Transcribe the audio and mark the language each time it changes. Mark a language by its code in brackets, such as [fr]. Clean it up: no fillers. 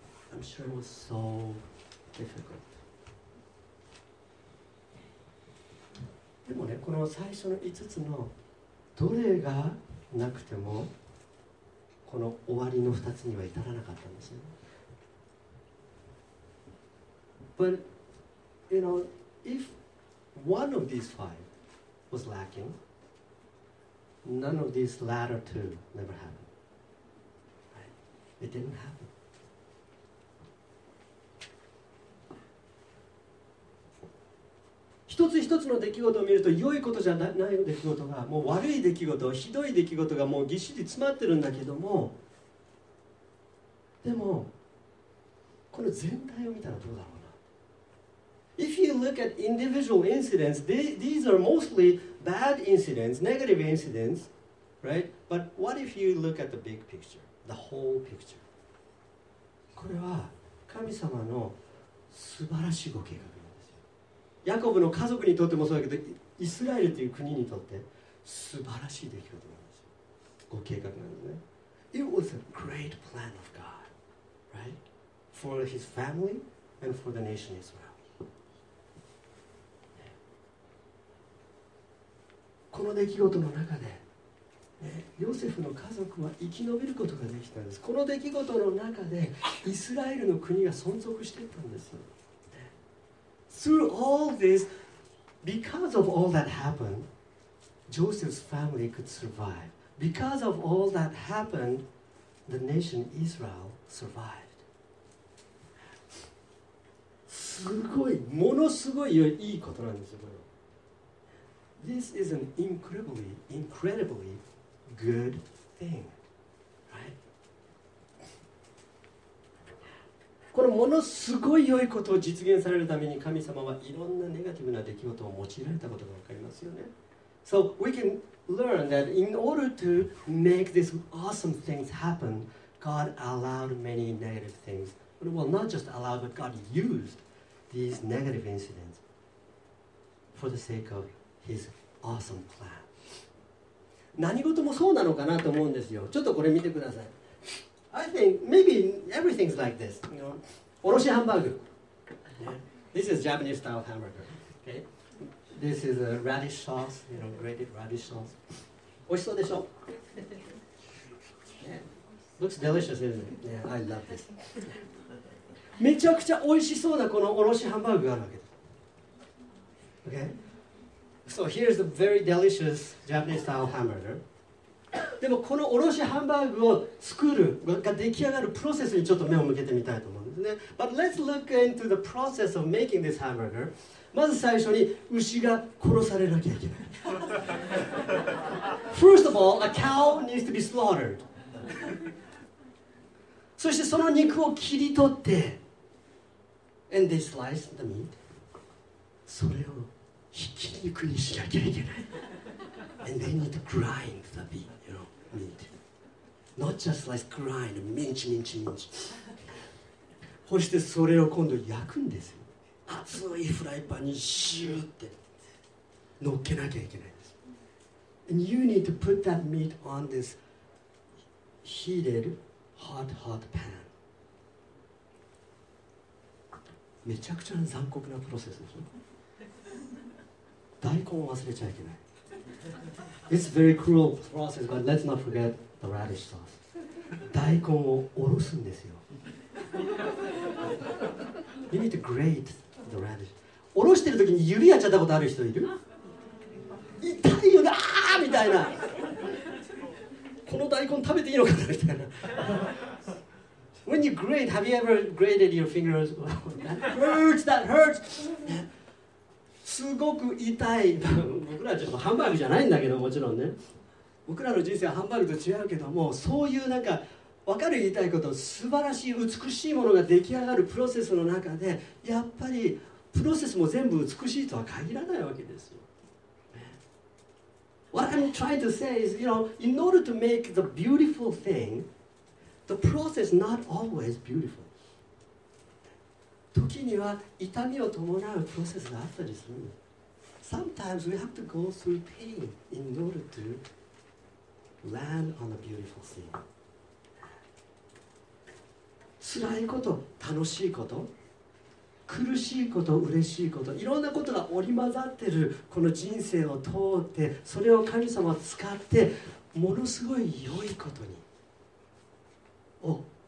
[en] I'm sure it was so difficult. [ja] でもね、この最初の5つのどれがなくてもこの終わりの2つには至らなかったんですよ。 [en] But, you know, if one of these five was lacking, none of these latter two never happened. It didn't happen. [ja] 一つ一つの出来事を見ると良いことじゃない出来事がもう悪い出来事、ひどい出来事がもうぎっしり詰まってるんだけども、でもこの全体を見たらどうだろうな。 [en] If you look at individual incidents, these are mostly bad incidents, negative incidents, right? But what if you look at the big picture, the whole picture? [ja] これは神様の素晴らしいご計画。ヤコブの家族にとってもそうだけど、イスラエルという国にとって素晴らしい出来事なんですよ。ご計画なんですね。 [en] It was a great plan of God, right? For his family and for the nation Israel. [ja] この出来事の中で、ヨセフの家族は生き延びることができたんです。この出来事の中で、イスラエルの国が存続していったんですよ。 [en] Through all this, because of all that happened, Joseph's family could survive. Because of all that happened, the nation Israel survived. [ja] すごい、ものすごい良いことなんですよ。 [en] This is an incredibly, incredibly good thing. [ja] このものすごい良いことを実現されるために神様はいろんなネガティブな出来事を用いられたことがわかりますよね。 [en] So we can learn that in order to make these awesome things happen, God allowed many negative things. Well, not just allowed, but God used these negative incidents for the sake of His awesome plan. [ja] 何事もそうなのかなと思うんですよ。ちょっとこれ見てください。 [en] I think maybe everything's like this. You know, おろしハンバーグ。 This is Japanese style hamburger. Okay. This is a radish sauce. You know, grated radish sauce. [ja] 美味しそうでしょ。 [en] Looks delicious, isn't it? Yeah, I love this. [ja] めちゃくちゃ美味しそうなこのおろしハンバーグがあるわけです。 [en] Okay. So here's a very delicious Japanese style hamburger. [ja] でもこのおろしハンバーグを作るが出来上がるプロセスにちょっと目を向けてみたいと思うんですね。 [en] But let's look into the process of making this hamburger. [ja] まず最初に牛が殺されなきゃいけない。 [en] First of all, a cow needs to be slaughtered. [ja] そしてその肉を切り取って、 [en] and they slice the meat. [ja] それをひき肉にしなきゃいけない。 [en] And they need to grind the meat, you know, meat. Not just like grind, minch, minch, minch. [ja] そしてそれを今度焼くんですよ。熱いフライパンにシューって乗っけなきゃいけないんです。 [en] And you need to put that meat on this heated, hot, hot pan. [ja] めちゃくちゃ残酷なプロセスでしょ。大根を忘れちゃいけない。 [en] It's a very cruel process, but let's not forget the radish sauce. [ja] 大根をおろすんですよ。 [en] You need to grate the radish. [ja] おろしてるときに指やっちゃったことある人いる？痛いよね、あーみたいな。この大根食べていいのかなみたいな。 [en] When you grate, have you ever grated your fingers? That hurts! [ja] すごく痛い。僕らはちょっとハンバーグじゃないんだけど、もちろんね、僕らの人生はハンバーグと違うけども、そういうなんか分かる言いたいこと、素晴らしい美しいものが出来上がるプロセスの中で、やっぱりプロセスも全部美しいとは限らないわけですよ。 [en] What I'm trying to say is, you know, in order to make the beautiful thing, the process not always beautiful. [ja] 時には痛みを伴うプロセスがあったりする。 [en] Sometimes we have to go through pain in order to land on a beautiful thing. [ja] 辛いこと、楽しいこと、苦しいこと、嬉しいこと、いろんなことが織り交ざってるこの人生を通って、それを神様使ってものすごい良いことに。お。